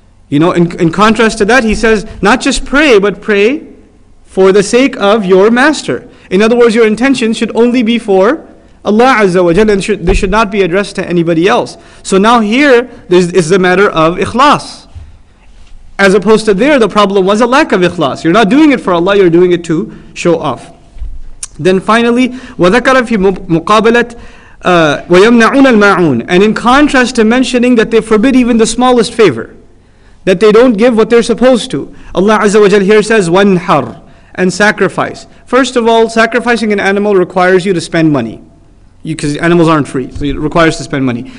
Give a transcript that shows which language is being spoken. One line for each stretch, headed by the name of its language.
English: You know, in contrast to that, he says, not just pray, but pray for the sake of your master. In other words, your intention should only be for Allah Azza wa Jalla, and they should not be addressed to anybody else. So now here, this is the matter of ikhlas. As opposed to there, the problem was a lack of ikhlas. You're not doing it for Allah, you're doing it to show off. Then finally,
Arabic: وَذَكَرَ فِي مُقَابَلَةِ وَيَمْنَعُونَ الْمَعُونَ.
English: And in contrast to mentioning that they forbid even the smallest favor, that they don't give what they're supposed to, Allah Azza wa Jalla here says, وَانْحَرْ. And sacrifice. First of all, sacrificing an animal requires you to spend money. Because animals aren't free, so it requires to spend money.